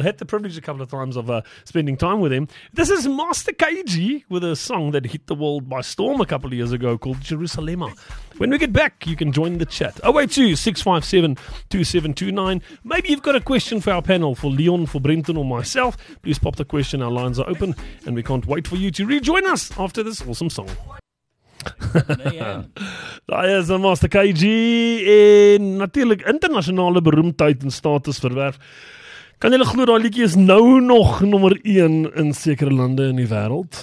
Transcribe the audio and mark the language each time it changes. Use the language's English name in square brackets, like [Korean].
[English] Had the privilege a couple of times of spending time with him. This is Master KG with a song that hit the world by storm a couple of years ago called Jerusalem. When we get back, you can join the chat. 0826572729. Maybe you've got a question for our panel, for Leon, for Brenton, or myself. Please pop the question. Our lines are open, and we can't wait for you to rejoin us after this awesome song. [Afrikaans] Daar is Master KG en natuurlijk internationale beroemdheid en status verwerf. Kan julle glo daai liedjie is nou nog nommer 1 in sekere lande in die wêreld.